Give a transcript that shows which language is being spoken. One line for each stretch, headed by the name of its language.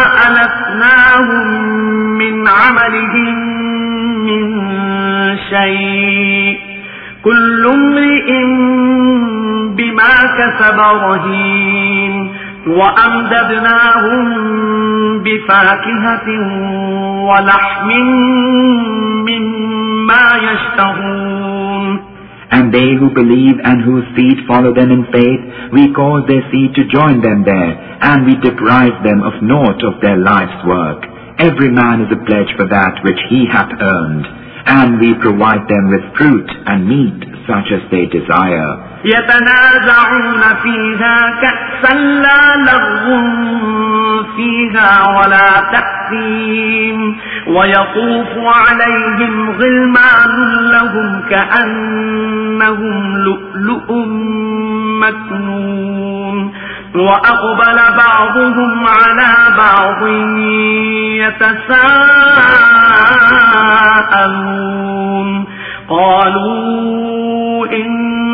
Arabic: ألتناهم من عملهم من شيء كل امرئ بما كسب رهين وأمددناهم بفاكهة ولحم مما يشتهون.
English: And they who believe and whose seed follow them in faith, we cause their seed to join them there, and we deprive them of naught of their life's work. Every man is a pledge for that which he hath earned, and we provide them with fruit and meat such as they desire.
Arabic: يتنازعون فيها كأسا لا لغو فيها ولا تأثيم ويطوف عليهم غلمان لهم كأنهم لؤلؤ مكنون وأقبل بعضهم على بعض يتساءلون قالوا إن